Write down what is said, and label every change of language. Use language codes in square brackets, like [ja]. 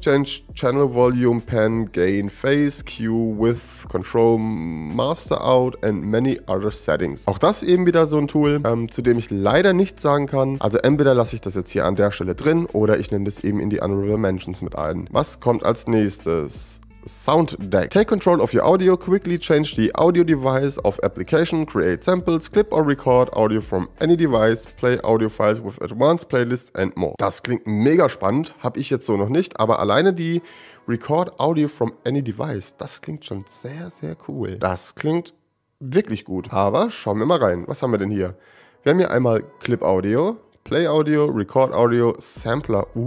[en] Change Channel Volume, Pan, Gain, Phase, Cue with Control Master Out and many other Settings. [de] Auch das eben wieder so ein Tool, zu dem ich leider nichts sagen kann. Also entweder lasse ich das jetzt hier an der Stelle drin oder ich nehme das eben in die Honorable Mentions mit ein. Was kommt als nächstes? Sound Deck. [en] Take control of your audio, quickly change the audio device of application, create samples, clip or record audio from any device, play audio files with advanced playlists and more. [de] Das klingt mega spannend, habe ich jetzt so noch nicht, aber alleine die [en] record audio from any device, [de] das klingt schon sehr, sehr cool. Das klingt wirklich gut, aber schauen wir mal rein. Was haben wir denn hier? Wir haben hier einmal Clip Audio, Play Audio, Record Audio, Sampler.